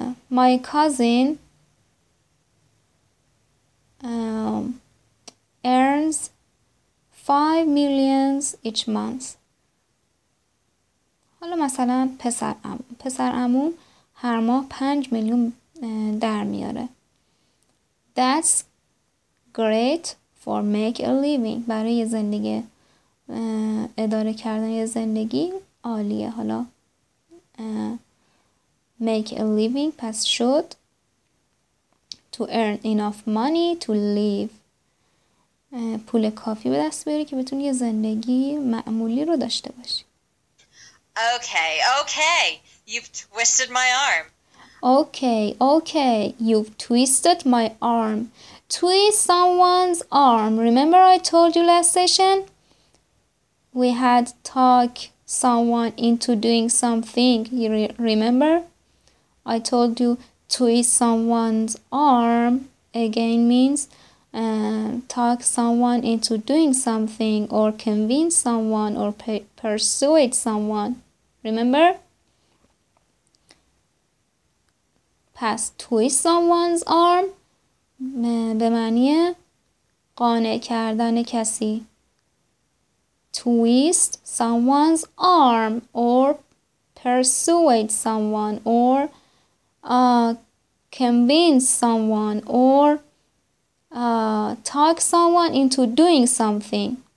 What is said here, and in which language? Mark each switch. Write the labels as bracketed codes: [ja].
[en] My cousin earns 5 million each month. [fa] حالا مثلا پسر عمو هر ماه 5 million در میاره. [en] That's great for make a living. [fa] برای زندگی اداره کردن یه زندگی عالیه. حالا [en] make a living [fa] پس شد [en] to earn enough money to live. [fa] پول کافی به دست بیاری که بتونی یه زندگی معمولی رو داشته باشی. [en] Okay, you've twisted my arm. Okay, you've twisted my arm. Twist someone's arm. Remember I told you last session? We had talk someone into doing something. You remember? I told you twist someone's arm again means talk someone into doing something or convince someone or persuade someone. Remember? [fa] پس [en] twist someone's arm [fa] به معنی قانع کردن کسی. [en] Twist someone's arm or persuade someone or convince someone or talk someone into doing something.